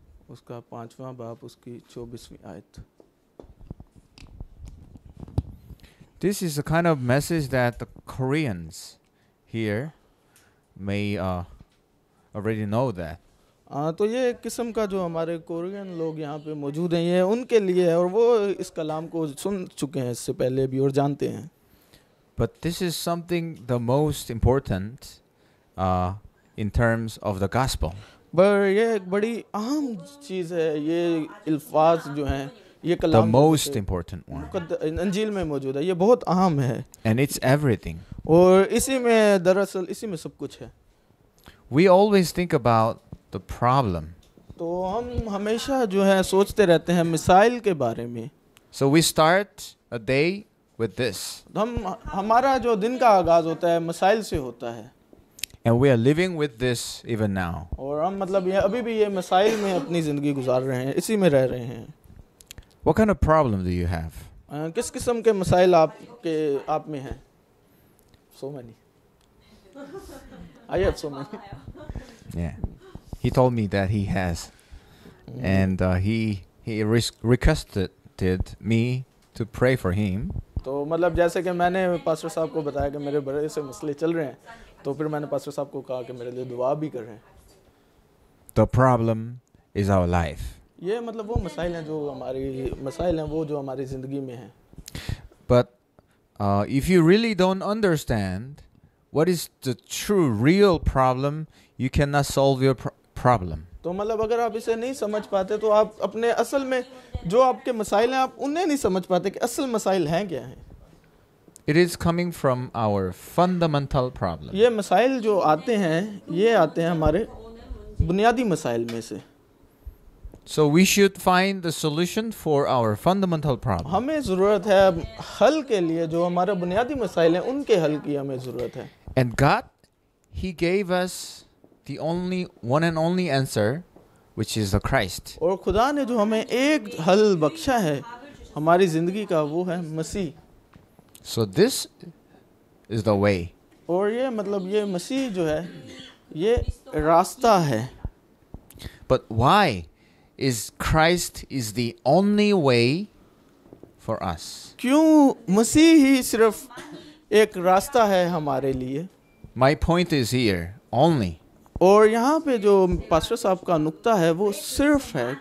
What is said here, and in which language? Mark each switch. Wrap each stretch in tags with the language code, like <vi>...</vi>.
<hi>Uska panchwa bab uski 24th ayat.</hi> <en>This is the kind of message that the Koreans here may already know that.</en> <hi>तो ये किस्म का जो हमारे Korean लोग यहाँ पे मौजूद हैं ये उनके लिए है और वो इस कलाम को सुन चुके हैं इससे पहले भी और जानते हैं.</hi> <en>But this is something the most important in terms of the gospel.</en> <hi>But ये एक बड़ी अहम चीज है ये अल्फाज जो हैं.</hi> <en>The most important one.</en> <hi>अंजील में मौजूद है. ये बहुत आम है.</hi> <en>And it's everything.</en> <hi>और इसी में दरअसल इसी में सब कुछ है.</hi> <en>We always think about the problem.</en> <hi>तो हम हमेशा जो है सोचते रहते हैं मिसाइल के बारे में.</hi> <en>So we start a day with this.</en> <hi>हम हमारा जो दिन का आगाज होता है मिसाइल से होता है.</hi> <en>And we are living with this even now.</en> <hi>और हम मतलब ये अभी भी ये मिसाइल में अपनी जिंदगी गुजार रहे हैं इसी में रह रहे हैं.</hi> <en>What kind of problem do you have?</en> <hi>किस किस्म के मसाइल आपके आप में हैं?</hi> <en>So many. I have so many. Yeah. He told me that he has. And he requested me to pray for him.</en> <hi>तो मतलब जैसे कि मैंने पास्टर साहब को बताया कि मेरे बड़े से मसले चल रहे हैं तो फिर मैंने पास्टर साहब को कहा कि मेरे लिए दुआ भी कर रहे हैं.</hi> <en>The problem is our life.</en> <hi>ये मतलब वो मसाइल हैं जो हमारी मसाइल हैं वो जो हमारी जिंदगी में हैं.</hi> <en>But if you really don't understand what is the true real problem, you cannot solve your problem.</en> <hi>तो मतलब अगर आप इसे नहीं समझ पाते तो आप अपने असल में जो आपके मसाइल हैं आप उन्हें नहीं समझ पाते कि असल मसाइल हैं क्या हैं.</hi> <en>It is coming from our fundamental problem.</en> <hi>ये मसाइल जो आते हैं हमारे बुनियादी मसाइल में से.</hi> <en>So we should find the solution for our fundamental problem.</en> <hi>हमें जरूरत है हल के लिए जो हमारे बुनियादी मसाइल हैं उनके हल की हमें जरूरत है.</hi> <en>And God, He gave us the only one and only answer, which is the Christ.</en> <hi>और खुदा ने जो हमें एक हल बख्शा है हमारी जिंदगी का वो है मसीह.</hi> <en>So this is the way.</en> <hi>और ये मतलब ये मसीह जो है ये रास्ता है.</hi> <en>But why? Is Christ is the only way for us?</en> <hi>क्यों मसीह ही सिर्फ एक रास्ता है हमारे लिए?</hi> <en>My point is here only.</en> <hi>और यहाँ पे जो पास्टर साहब का नुक्ता है वो सिर्फ है.</hi>